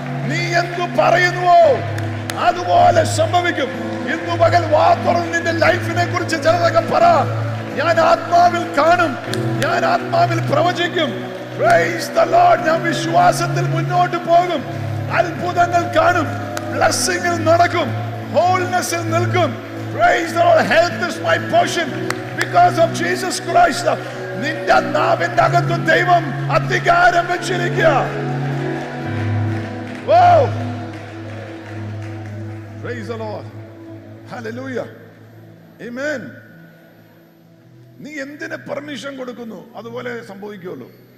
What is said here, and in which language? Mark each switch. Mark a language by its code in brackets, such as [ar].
[ml] നീ എന്തു പറയുന്നുവോ അതുപോലെ സംഭവിക്കും. ഇന്നു പകൽ വാ തുറന്ന് നിന്റെ ലൈഫിനെ കുറിച്ച് ചിലതൊക്കെ പറ. ഞാൻ ആത്മാവിൽ കാണും, ഞാൻ ആത്മാവിൽ പ്രവചിക്കും. [en] Praise the Lord. [ml] ഞാൻ വിശ്വാസത്തിൽ മുന്നോട്ട് പോകും, അത്ഭുതങ്ങൾ കാണും, ബ്ലെസ്സിംഗിൽ നടക്കും, ഹോൾനെസ്സിൽ നിൽക്കും. [en] Praise the Lord. Health is my portion because of Jesus Christ. [ml] നിന്റെ നാവിന്റെ അകത്ത് ദൈവം അധികാരം വെച്ചിരിക്കുക. [en] Praise the Lord. Hallelujah. Amen. [ml] നീ എന്തിനെ പെർമിഷൻ കൊടുക്കുന്നു അതുപോലെ സംഭവിക്കുമല്ലോ.